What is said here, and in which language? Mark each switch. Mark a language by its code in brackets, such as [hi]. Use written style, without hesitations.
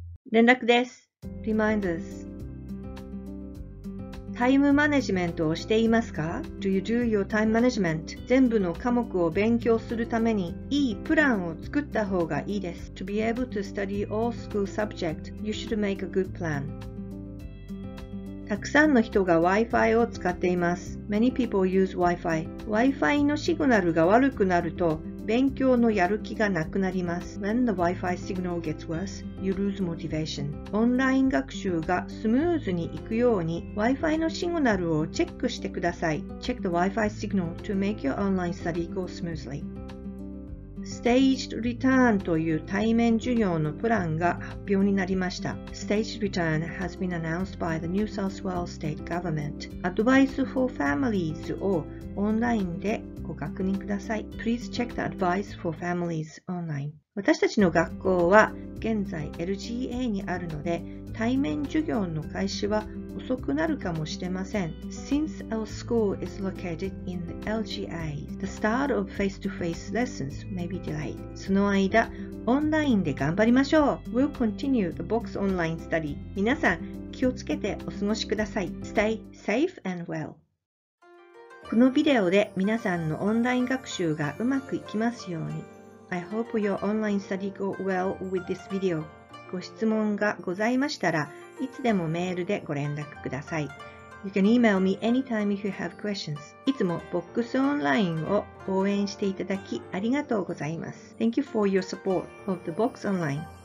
[ja] 連絡です。 [en] Reminders。 [ja] タイムマネジメントをしていますか? [en] Do you do your time management? [ja] 全部の科目を勉強するためにいいプランを作った方がいいです。 [en] To be able to study all school subjects, you should make a good plan. [ja] たくさんの人が Wi-Fi を使っています。 [en] Many people use Wi-Fi. [ja] Wi-Fi のシグナルが悪くなると勉強のやる気がなくなります。 [en] When the Wi-Fi signal gets worse, you lose motivation. [ja] オンライン学習がスムーズにいくように Wi-Fi のシグナルをチェックしてください。 [en] Check the Wi-Fi signal to make your online study go smoothly. [ja] Staged Return という対面授業のプランが発表になりました。 [en] Staged Return has been announced by the New South Wales State Government. Advice for Families [ja] をオンラインでご確認ください。 [en] Please check the advice for families online. [ja] 私たちの学校は現在 LGA にあるので、対面授業の開始は遅くなるかもしれません。 [en] Since our school is located in the LGA, the start of face-to-face lessons may be delayed. [ja] その間、オンラインで頑張りましょう。 [en] We'll continue the box online study. [ja] 皆さん、気をつけてお過ごしください。 [en] Stay safe and well. [ja] このビデオで皆さんのオンライン学習がうまくいきますように。 [en] I hope your online study go well with this video. [ja] ご質問がございましたら、いつでもメールでご連絡ください。 [en] You can email me anytime if you have questions. [ja] いつもボックスオンラインを応援していただきありがとうございます。 [en] Thank you for your support of the box online.